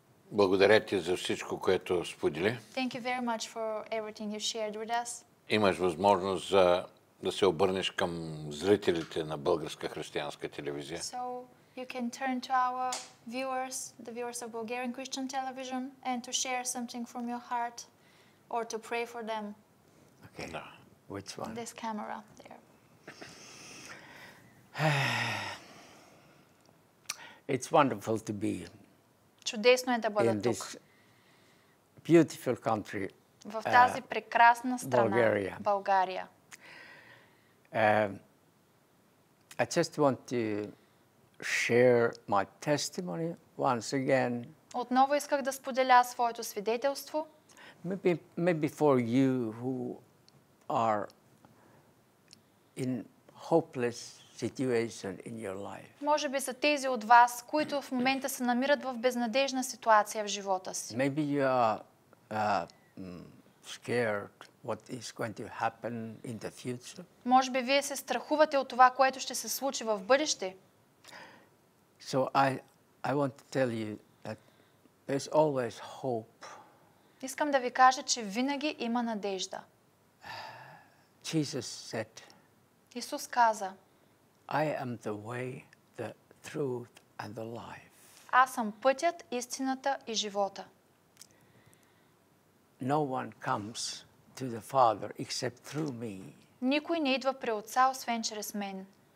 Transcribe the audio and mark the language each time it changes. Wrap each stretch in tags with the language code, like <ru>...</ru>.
<bg>Благодаря ти за всичко, което сподели.</bg> <en>Thank you very much for everything you shared with us.</en> <bg>Имаш възможност за да се обърнеш към зрителите на Българска християнска телевизия.</bg> <en>So you can turn to our viewers, the viewers of Bulgarian Christian Television, and to share something from your heart or to pray for them. Okay. No. Which one? This camera there. It's wonderful to be.</en> <bg>Чудесно е да бъда</bg> <en>in</en> <bg>тук.</bg> <en>Beautiful country,</en> <bg>в тази прекрасна страна, Bulgaria. България.</bg> <en>I just want to share my testimony once again.</en> <bg>Отново исках да споделя своето свидетелство.</bg> <en>Maybe for you who are in hopeless situation in your life.</en> <bg>Може би за тези от вас, които в момента се намират в безнадежна ситуация в живота си.</bg> <en>Maybe you are scared what is going to happen in the future.</en> <bg>Може би вие се страхувате от това, което ще се случи в бъдеще.</bg> <en>So I want to tell you that there's always hope.</en> <bg>Искам да ви кажа, че винаги има надежда.</bg> <en>Jesus said.</en> <bg>Исус каза:</bg> <en>I am the way, the truth and the life.</en> <bg>Аз съм пътят, истината и живота.</bg> <en>No one comes to the Father except through me.</en> <bg>Никой не идва при Отца освен чрез мен.</bg>